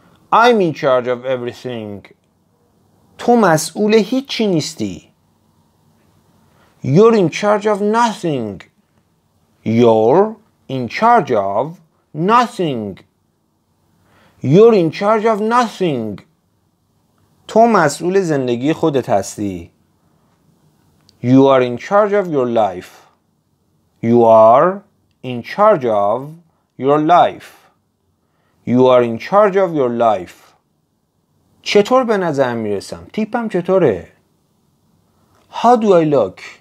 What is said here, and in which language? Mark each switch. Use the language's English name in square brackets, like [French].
[English] I'm in charge of everything. [Persian] تو مسئول هیچی نیستی. [English] You're in charge of nothing. You're in charge of nothing. You're in charge of nothing. [Persian] تو مسئول زندگی خودت هستی. [English] You are in charge of your life. You are in charge of your life. You are in charge of your life. [Persian] چطور به نظر میرسم؟ تیپم چطوره؟ [English] How do I look?